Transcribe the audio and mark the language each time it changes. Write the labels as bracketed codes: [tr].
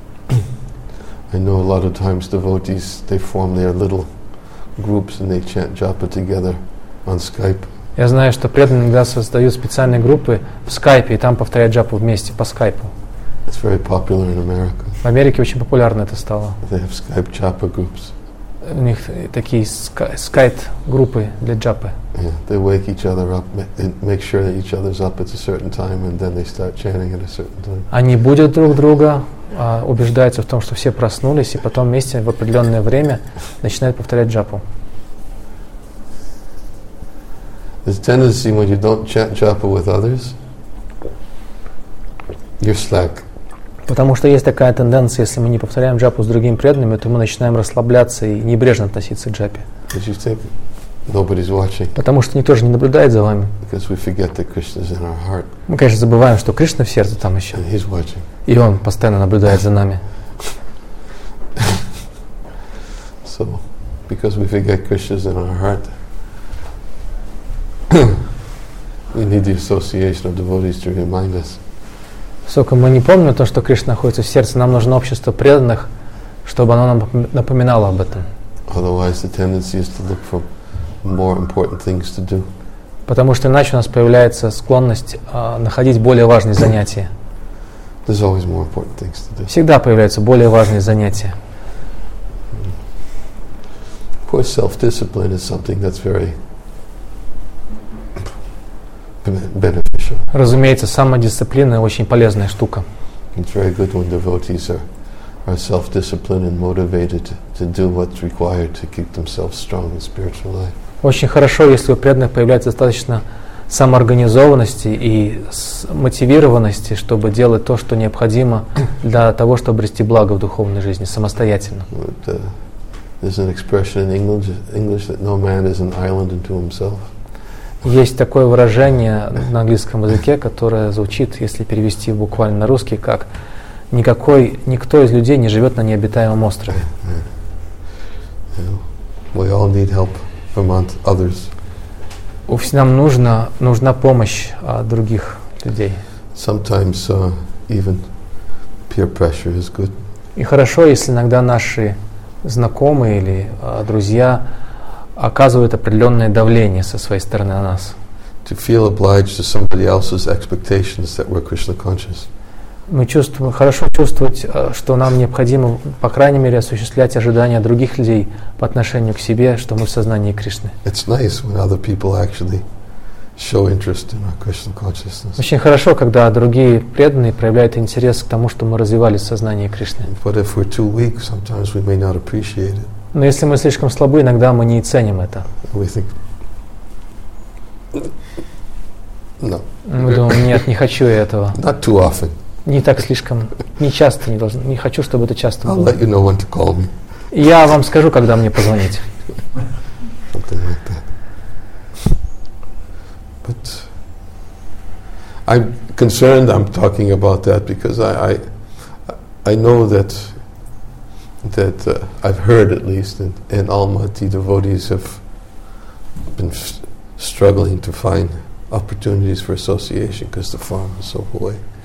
[en] I know a lot of times devotees they form their little groups and they chant japa together. On Skype. [ru] Я знаю, что преданные иногда создают специальные группы в Skype и там повторяют джапу вместе по Skype. [en] It's very popular in America. [ru] В Америке очень популярно это стало. [en] They have Skype japa groups. [ru] У них такие Skype группы для джапы. [en] Yeah, they wake each other up, make sure that each other's up at a certain time, and then they start chanting at a certain time. [ru] Они будят друг друга, убеждаются в том, что все проснулись, и потом вместе в определенное время начинают повторять джапу. [en] There's a tendency when you don't chant japa with others, you're slack. [ru] Потому что есть такая тенденция, если мы не повторяем джапу с другими преданными, то мы начинаем расслабляться и небрежно относиться к джапе. [en] Because you think nobody's watching. [ru] Потому что никто же не наблюдает за вами. [en] Because we forget that Krishna's in our heart. [ru] Мы, конечно, забываем, что Кришна в сердце там еще. [en] And he's watching. [ru] И он постоянно наблюдает за нами. [en] So, because we forget Krishna's in our heart. We need the association of devotees to remind us. [ru] Сколько мы не помним то, что Кришна находится в сердце, нам нужно общество преданных, чтобы оно нам напоминало об этом. [en] Otherwise, the tendency is to look for more important things to do. [ru] Потому что иначе у нас появляется склонность находить более важные занятия. [en] There's always more important things to do. [ru] Всегда появляются более важные занятия. [en] Of course, self-discipline is something that's very beneficial. [ru] Разумеется, самодисциплина очень полезная штука. [en] It's very good when devotees are are self-disciplined and motivated to do what's required to keep themselves strong in spiritual life. [ru] Очень хорошо, если у преданных появляется достаточно самоорганизованности и мотивированности, чтобы делать то, что необходимо для того, чтобы обрести благо в духовной жизни самостоятельно. [en] But, there's an expression in English that no man is an island unto himself. [ru] Есть такое выражение на английском языке, которое звучит, если перевести буквально на русский, как никто из людей не живет на необитаемом острове. [en] We all need help from others. [ru] Нам нужна помощь других людей. [en] Sometimes even peer pressure is good. [ru] И хорошо, если иногда наши знакомые или друзья оказывают определенное давление со своей стороны на нас. [en] To feel obliged to somebody else's expectations that we're Krishna conscious. [ru] Мы чувствуем, хорошо чувствовать, что нам необходимо, по крайней мере, осуществлять ожидания других людей по отношению к себе, что мы в сознании Кришны. [en] It's nice when other people actually show interest in our Krishna consciousness. [ru] Очень хорошо, когда другие преданные проявляют интерес к тому, что мы развивали сознание Кришны. [en] But if we're too weak, sometimes we may not appreciate it. [ru] Но если мы слишком слабы, иногда мы не ценим это. [en] We think... No. [ru] Мы думаем, нет, не хочу я этого. [en] Not too often. [ru] Не так слишком, не часто, не должен, не хочу, чтобы это часто [en] I'll [ru] было. [en] Let you know when to call me. [ru] Я вам скажу, когда мне позвонить. [en] Something like that. But I'm concerned I'm talking about that because I know that I've heard at least and all Mahati devotees have been struggling to find opportunities for association because the farm is so away.